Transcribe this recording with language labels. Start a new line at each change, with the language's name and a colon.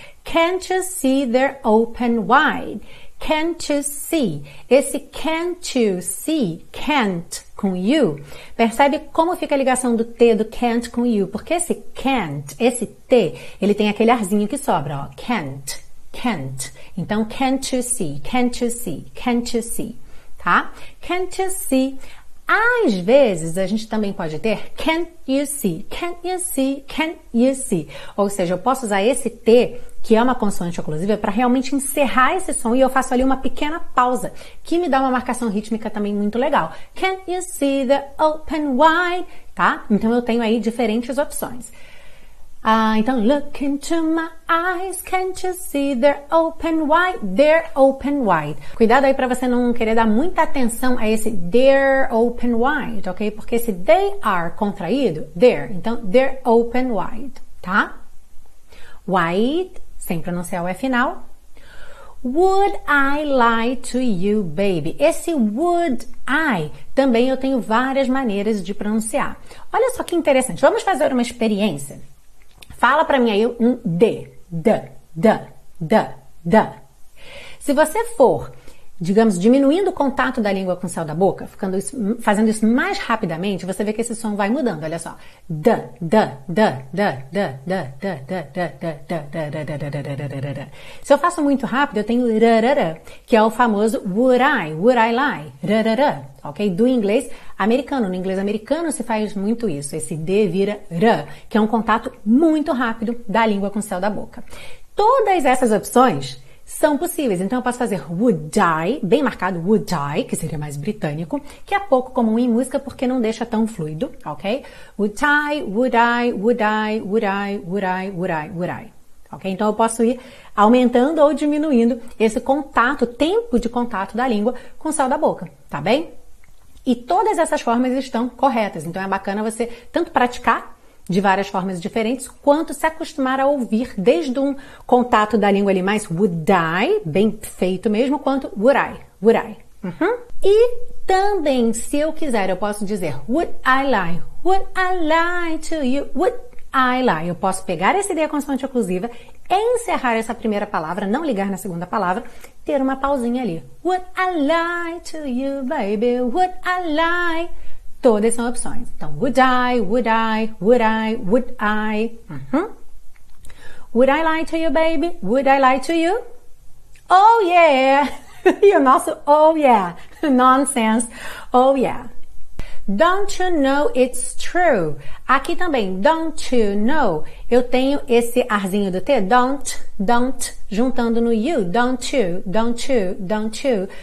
English: Can't you see they're open wide? Can't you see? Esse can't you see, can't com you.
Portuguese: Percebe como fica a ligação do T do can't com you? Porque esse can't, esse T, ele tem aquele arzinho que sobra, ó.
English: Can't, can't. Então, can't you see, can't you see, can't you see, tá? Can't you see?
Portuguese: Às vezes, a gente também pode ter
English: can't you see, can't you see, can't you see.
Portuguese: Ou seja, eu posso usar esse T, que é uma consoante oclusiva, para realmente encerrar esse som e eu faço ali uma pequena pausa, que me dá uma marcação rítmica também muito legal.
English: Can't you see the open wide?
Portuguese: Tá? Então, eu tenho aí diferentes opções.
English: Então, look into my eyes, can't you see they're open wide, they're open wide.
Portuguese: Cuidado aí para você não querer dar muita atenção a esse
English: they're open wide,
Portuguese: ok? Porque esse they are contraído, they're, então
English: they're open wide,
Portuguese: tá?
English: Wide,
Portuguese: sem pronunciar o E final.
English: Would I lie to you, baby?
Portuguese: Esse would I, também eu tenho várias maneiras de pronunciar. Olha só que interessante, vamos fazer uma experiência. Fala pra mim aí um de, da, da, da, da. Se você for, digamos, diminuindo o contato da língua com o céu da boca, ficando isso, fazendo isso mais rapidamente, você vê que esse som vai mudando, olha só. Da, da, da, da, da, da, da, da, da, da, da, da, da, da, da, da, da, da, da, da, da. Se eu faço muito rápido, eu tenho rarara, que é o famoso
English: would I lie,
Portuguese: rarara, ok? Do inglês americano, no inglês americano se faz muito isso, esse D vira R, que é um contato muito rápido da língua com o céu da boca. Todas essas opções são possíveis, então eu posso fazer
English: would I,
Portuguese: bem marcado would I, que seria mais britânico, que é pouco comum em música porque não deixa tão fluido, ok?
English: Would I, would I, would I, would I, would I, would I, would I, ok?
Portuguese: Então eu posso ir aumentando ou diminuindo esse contato, tempo de contato da língua com o céu da boca, tá bem? E todas essas formas estão corretas, então é bacana você tanto praticar de várias formas diferentes, quanto se acostumar a ouvir desde um contato da língua ali mais would I, bem feito mesmo, quanto
English: would I, would I.
Portuguese: Uhum. E também, se eu quiser, eu posso dizer
English: would I lie to you, would I lie.
Portuguese: Eu posso pegar essa ideia consoante oclusiva, encerrar essa primeira palavra, não ligar na segunda palavra, ter uma pausinha ali.
English: Would I lie to you, baby, would I lie.
Portuguese: Todas são opções.
English: Então, would I, would I, would I, would I. Uhum. Would I lie to you, baby? Would I lie to you? Oh, yeah!
Portuguese: E o nosso
English: oh, yeah. Nonsense. Oh, yeah. Don't you know it's true?
Portuguese: Aqui também,
English: don't you know?
Portuguese: Eu tenho esse arzinho do T, don't, juntando no you.
English: Don't you, don't you, don't you.